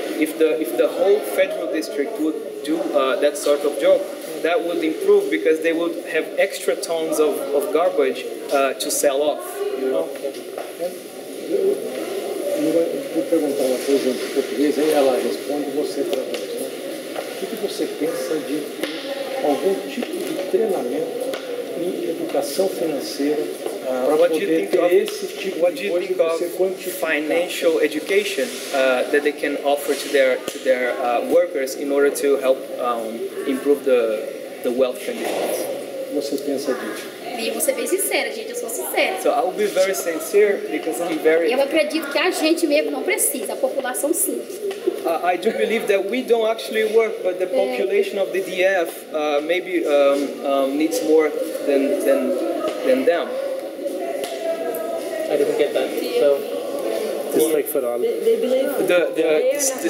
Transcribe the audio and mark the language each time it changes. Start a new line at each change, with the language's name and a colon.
English: If the whole federal district would do that sort of job, that would improve because they would have extra tons of garbage to sell off. You know?
Portuguese: Vou perguntar uma coisa em português, aí ela responde, você traduz. O que você pensa de algum tipo de treinamento em educação financeira para poder ter esse tipo de coisa que você
English: financial education that they can offer to their workers in order to help improve the wealth conditions?
Portuguese: Você pensa disso? E você bem sincera, gente, eu sou sincera.
English: So I will be very sincere because I'm very.
Portuguese: Eu acredito que a gente mesmo não precisa, a população sim.
English: I do believe that we don't actually work, but the population of the DF maybe needs more than them. I didn't get that. They believe the